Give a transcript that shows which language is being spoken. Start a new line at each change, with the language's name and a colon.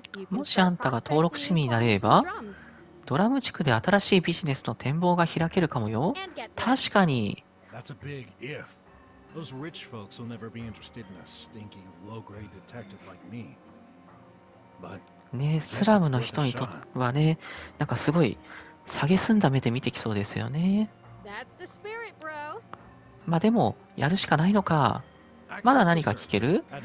Japanese: もしあんたが登録市民になれれば、ドラム地区で新しいビジネスの展望が開けるかもよ。確かに。
English: That's a big if. Those rich folks will never be interested in a stinky low-grade detective like me.
Japanese: But ね、スラムの人にとはね、なんかすごい蔑んだ目で見てきそうですよね。
English: That's the spirit, bro.
Japanese: まあでもやるしかないのか。まだ何か聞ける？